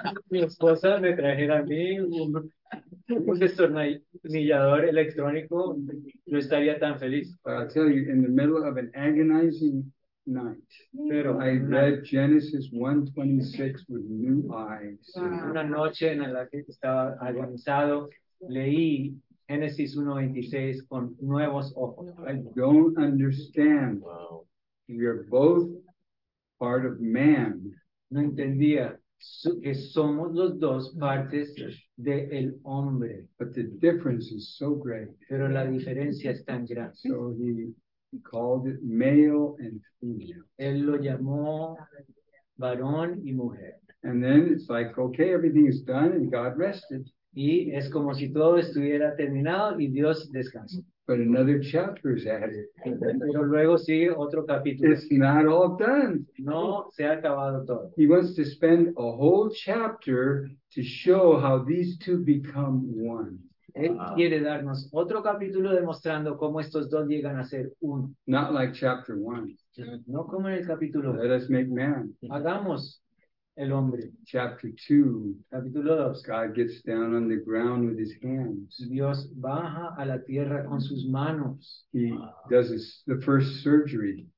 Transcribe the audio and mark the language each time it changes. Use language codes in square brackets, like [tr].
[es] Mi esposa me trajera a mí un destornillador electrónico, yo estaría tan feliz. [en] I'll tell you, in the middle of an agonizing night, [es] pero [en] I read Genesis 1:26 with new eyes. [es] Una noche en la que estaba agonizado, leí Genesis 1:26 con nuevos ojos. [en] I don't understand. Wow. You're both part of man. [es] No entendía. Que somos los dos partes del hombre. [en] But the difference is so great. [es] Pero la diferencia es tan grande. [en] So he called it male and female. [es] Él lo llamó varón y mujer. [en] And then it's like, okay, everything is done and God rested. [es] Y es como si todo estuviera terminado y Dios descansó. [en] But another chapter is added. [es] Pero luego sigue otro capítulo. [en] It's not all done. [es] No, se ha acabado todo. [en] He wants to spend a whole chapter to show how these two become one. [es] Él quiere darnos otro capítulo demostrando cómo estos dos llegan a ser uno. [en] Not like chapter one. [es] No como en el capítulo. [en] Let us make man. [es] Hagamos el hombre. [en] Chapter 2. [es] Capítulo 2. [en] God gets down on the ground with his hands. [es] Dios baja a la tierra con sus manos. [en] He does his, the first surgery.